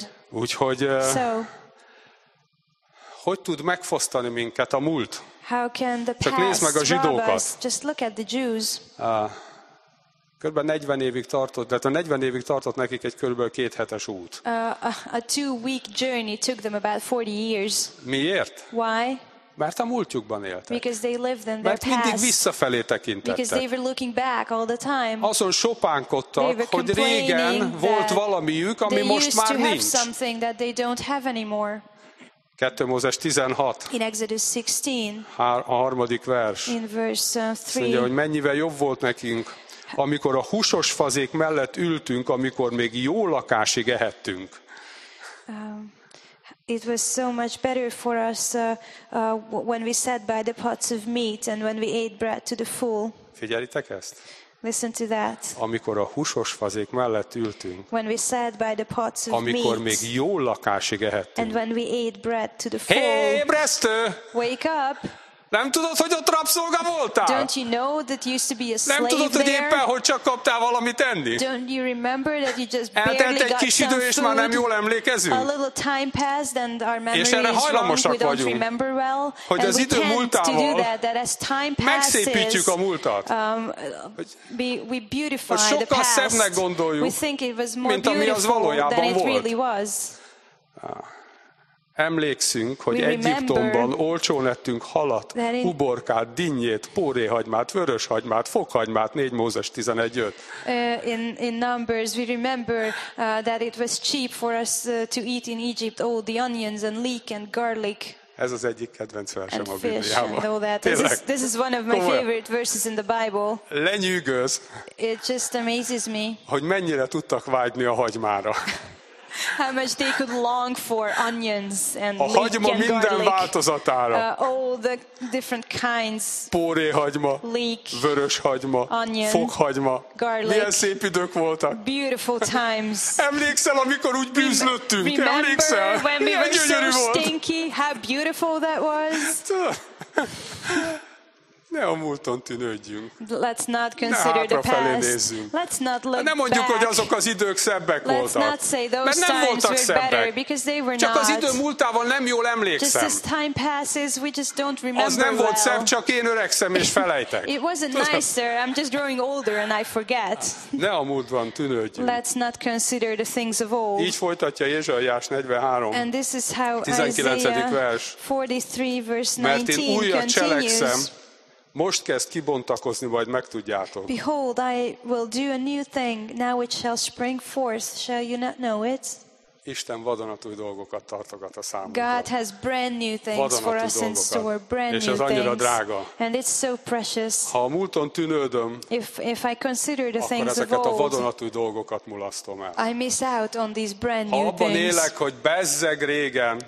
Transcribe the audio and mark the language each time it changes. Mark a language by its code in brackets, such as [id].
[hu] Úgyhogy, hogy tud megfosztani minket a múlt? [en] How can the past [hu] csak nézd meg a zsidókat. [en] Just look at the Jews. [hu] Körülbelül 40 évig tartott, tehát a 40 évig tartott nekik egy körülbelül két hetes út. [en] A two-week journey took them about 40 years. [hu] Miért? [en] Why? [hu] Mert a múltjukban éltek. [en] Because they lived in their past. [hu] Mert mindig visszafelé tekintettek. [en] Because they were looking back all the time. [hu] Azon sopánkodtak, hogy régen volt valamiük, ami most már nincs. [en] They used to have something that they don't have anymore. [hu] 2 Mózes 16. [en] In Exodus 16. [hu] A harmadik vers. [en] In verse 3. [hu] Mondja, hogy mennyivel jobb volt nekünk. Amikor a húsos fazék mellett ültünk, amikor még jó lakásig ehettünk. [en] It was so much better for us when we sat by the pots of meat and when we ate bread to the full. [hu] Figyelitek ezt? [en] Listen to that. [hu] Amikor a húsos fazék mellett ültünk. [en] When we sat by the pots of [hu] amikor [en] meat, [hu] még jó lakásig ehettünk. [en] And when we ate bread to the full. [hu] Hey, Brestő! [en] Wake up! [hu] Nem tudod, hogy ott rabszolga voltál? [en] Don't you know that you used to be a slave? [hu] Nem tudod, hogy éppen hogy csak kaptál valamit enni? [en] Don't you remember that you just barely got some food? [hu] Eltelt egy kis idő, és már nem jól emlékezünk. [en] A little time passed and our memory is wrong. [hu] És erre hajlamosak vagyunk, hogy az idő múltával megszépítjük a múltat. [en] We beautify the past. [hu] Sokkal szebbnek gondoljuk, [en] we think it was more beautiful than it really was. [hu] Emlékszünk, hogy Egyiptomban olcsón ettünk halat, uborkát, dinnyét, póréhagymát, vöröshagymát, fokhagymát, 4 Mózes 11:5. [en] In Numbers we remember that it was cheap for us to eat in Egypt all the onions and leek and garlic. [hu] Ez az egyik kedvenc versem a Bibliában. [en] This is one of my favorite verses in the Bible. [hu] Lenyűgöz. [en] It just amazes me. [hu] Hogy mennyire tudtak vágyni a hagymára. [en] How much they could long for onions and leek and garlic. [hu] Minden változatára. [en] All the different kinds. [hu] Póréhagyma, [en] leek, [hu] vöröshagyma, [en] onion, [hu] fokhagyma. [en] Garlic. [hu] Milyen szép idők voltak. [en] Beautiful times. [hu] Emlékszel, amikor úgy bűzlöttünk? Emlékszel? [en] When we were so stinky, how beautiful that was. [hu] Ne a múlton tűnődjünk. [en] Let's not consider the past. [hu] Ne hátrafelé nézzünk. [en] Let's not look back. [hu] Ne mondjuk, hogy azok az idők szebbek voltak. [en] Let's not say those times were better because they were not. [hu] Csak az idő múltával nem jól emlékszem. [en] Just as time passes, we just don't remember well. [hu] Az nem volt szebb, csak én öregszem és felejtek. [en] It wasn't nicer. I'm just growing older and I forget. [hu] Ne a múltban tűnődjünk. [en] Let's not consider the things of old. [hu] Így folytatja Ézsaiás 43. [en] And this is how Isaiah 43 verse 19 continues. [hu] Most kezd kibontakozni, majd megtudjátok. [en] Behold, I will do a new thing, now it shall spring forth, shall you not know it? [hu] Isten vadonatúj dolgokat tartogat a számunkra. [en] God has brand new things for us in store, brand new things. [hu] És az annyira drága. [en] And it's so precious. [hu] Ha a múlton tűnődöm, [en] if I consider the things of old, [hu] akkor ezeket a vadonatúj dolgokat mulasztom el. [en] I miss out on these brand new things. [hu] Ha abban élek, hogy bezzeg régen,